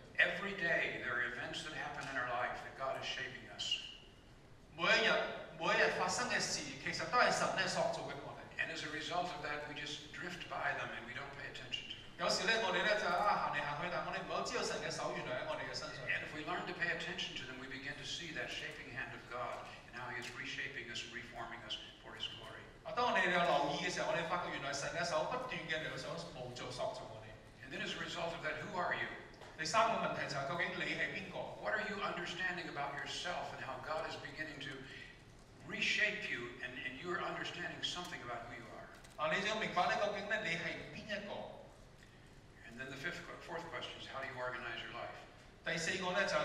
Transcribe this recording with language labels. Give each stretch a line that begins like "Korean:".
English: Every day there are events that happen in our life that God is shaping us.
Cantonese: 每一日發生嘅事，其實都係神咧塑造緊我哋。
English: And as a result of that, we just drift by them and we don't pay attention to them.
Cantonese: 有時咧，我哋咧就行嚟行去，但係我哋唔好知道神嘅手原來喺我哋嘅身上。
English: And if we learn to pay attention to them, we begin to see that shaping hand of God and how He is reshaping us, reforming us for His glory.
Cantonese: 當我哋有留意嘅時候，我哋發覺原來神嘅手不斷嘅嚟想塑造我哋。
English: And then as a result of that, who are you?
Cantonese: 第三個問題就係究竟你係邊個？
English: What are you understanding about yourself and how God is beginning to reshape you and you are understanding something about who you are?
Cantonese: 你就要明白咧，究竟咧你係邊一個？
English: And then the fourth question is how do you organize your life?